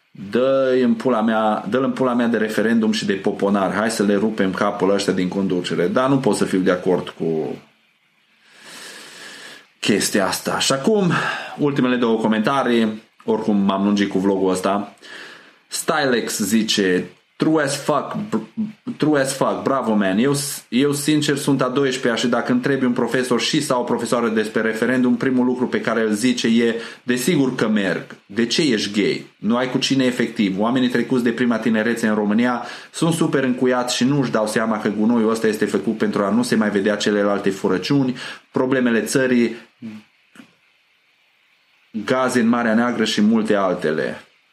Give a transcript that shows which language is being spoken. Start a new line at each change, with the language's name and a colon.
Romanian: Dă-i în pula mea, dă-l în pula mea de referendum și de poponare. Hai să le rupem capul ăștia din conducere. Dar nu pot să fiu de acord cu chestia asta. Și acum, ultimele două comentarii. Oricum m-am lungit cu vlogul ăsta. Stylex zice:
English: true as fuck, true as fuck, bravo man.
Romanian: Eu sincer sunt a 12-a și dacă întrebi un profesor și sau o profesoară despre referendum, primul lucru pe care îl zice e: desigur că merg. De ce ești gay? Nu ai cu cine efectiv. Oamenii trecuți de prima tinerețe în România sunt super încuiați și nu își dau seama că gunoiul ăsta este făcut pentru a nu se mai vedea celelalte furăciuni, problemele țării, gaze în Marea Neagră și multe altele.